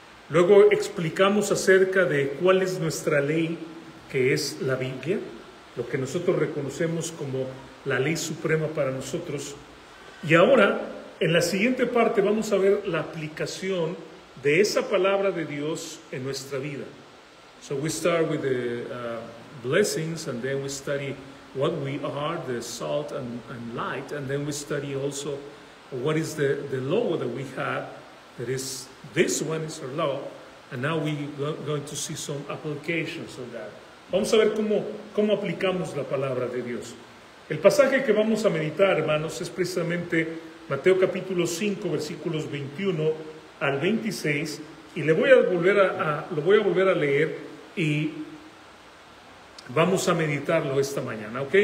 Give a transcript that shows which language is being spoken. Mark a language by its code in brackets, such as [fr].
[es] luego explicamos acerca de cuál es nuestra ley, que es la Biblia, lo que nosotros reconocemos como la ley suprema para nosotros, y ahora, en la siguiente parte vamos a ver la aplicación de esa palabra de Dios en nuestra vida. [en] So we start with the blessings and then we study what we are, the salt and light, and then we study also what is the law that we have, that is, this one is our law, and now we going to see some applications of that. [es] Vamos a ver cómo aplicamos la palabra de Dios. El pasaje que vamos a meditar, hermanos, es precisamente Mateo capítulo 5, versículos 21 al 26, y lo voy a volver a leer y vamos a meditarlo esta mañana, ¿ok?